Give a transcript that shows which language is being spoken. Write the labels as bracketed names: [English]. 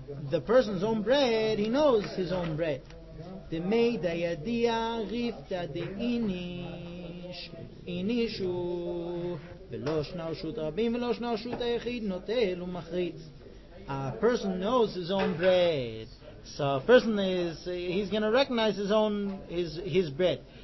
[English] The person's own bread, he knows his own bread. [Aramaic] דמי דיידיע ריפתא דאיניש, איניש הוא, ולא שנה רשות הרבים ולא שנה רשות היחיד, נוטל ומחריץ. [English] a person knows his own bread. So a person is, he's going to recognize his own, his bread.